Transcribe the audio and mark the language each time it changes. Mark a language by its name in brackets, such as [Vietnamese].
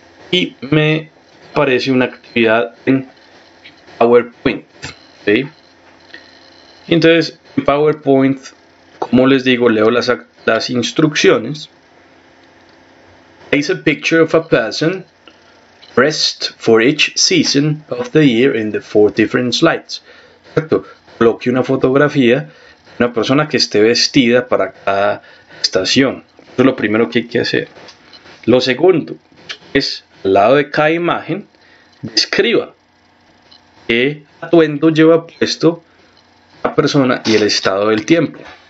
[Spanish] Y me aparece una actividad en PowerPoint, ¿sí? Entonces, en PowerPoint, como les digo, leo las instrucciones [English] is a picture of a person dressed for each season of the year in the four different slides. [Spanish] Exacto. Coloque una fotografía de una persona que esté vestida para cada estación. Eso es lo primero que hay que hacer. Lo segundo es, al lado de cada imagen, describa qué atuendo lleva puesto la persona y el estado del tiempo.